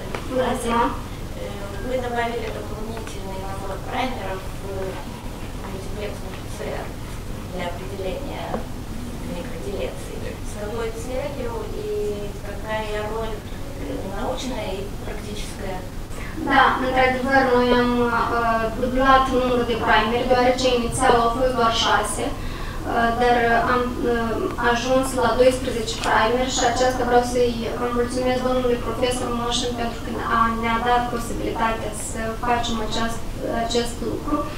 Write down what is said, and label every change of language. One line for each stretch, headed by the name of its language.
Romanian: Bună ziua. Bună ziua. Bună ziua.
Russian: праймеров мультиплексных СР для определения микроделеции. С какой целью и какая роль научная и практическая?
Romanian: Da, într-adevăr, noi am dublat numărul de primeri, deoarece inițial au fost doar 6, dar am ajuns la 12 primeri și aceasta vreau să-i mulțumesc domnului profesor Moșin pentru că ne-a dat posibilitatea să facem acest lucru.